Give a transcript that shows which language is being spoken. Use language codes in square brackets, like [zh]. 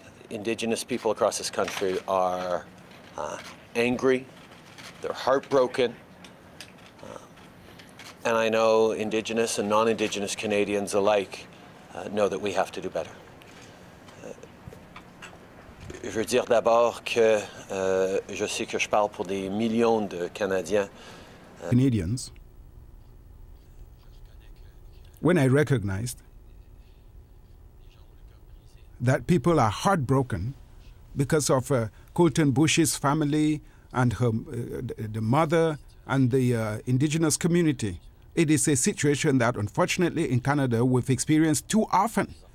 [en] Indigenous people across this country are angry, they're heartbroken, and I know Indigenous and non-Indigenous Canadians alike know that we have to do better. [fr] Je veux dire d'abord que je sais que je parle pour des millions de Canadiens. [en] Canadians, when I recognized that people are heartbroken because of Colton Boushie's family and her, the mother and the indigenous community, it is a situation that unfortunately in Canada we've experienced too often.